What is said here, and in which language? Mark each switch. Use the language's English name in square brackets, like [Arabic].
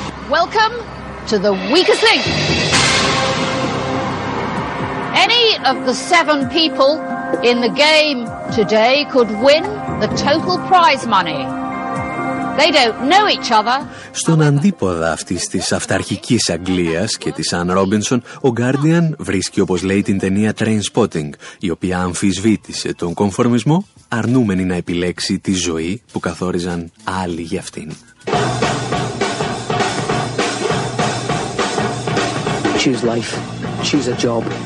[English] Welcome to the weakest link. Any of the seven people in the game today could win the total prize money. They don't know each other. [Greek] Στον αντίποδα αυτής της αυταρχικής Αγγλίας και της Αν Ρόμπινσον, ο Guardian βρίσκει, όπως λέει, την ταινία Trainspotting, η οποία αμφισβήτησε τον κομφορμισμό, αρνούμενη να επιλέξει τη ζωή που καθόριζαν άλλοι για αυτήν. [English] Choose life, choose a job.